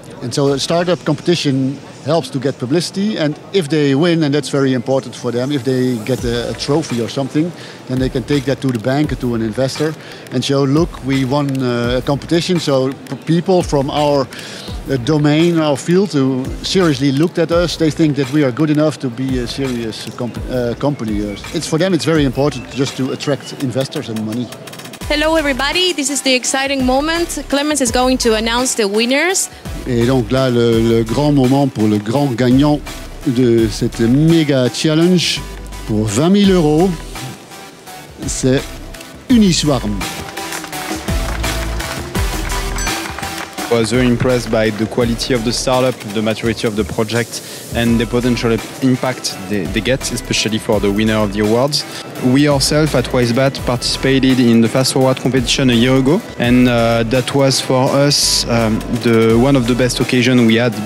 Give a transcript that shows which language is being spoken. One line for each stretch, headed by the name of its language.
English: And so a startup competition helps to get publicity. And if they win, and that's very important for them, if they get a trophy or something, then they can take that to the bank, to an investor, and show, look, we won a competition. So people from our domain, our field, who seriously looked at us, they think that we are good enough to be a serious company. It's for them, it's very important just to attract investors and money. Hello everybody, this is the exciting moment. Clemens is going to announce the winners.
French: Et donc là, le grand moment pour le grand gagnant de cette méga challenge pour 20 000 euros, c'est UNISWARM.
English: I was very impressed by the quality of the startup, the maturity of the project, and the potential impact they get, especially for the winner of the awards. We ourselves at WiseBat participated in the Fast Forward competition a year ago, and that was for us one of the best occasions we had.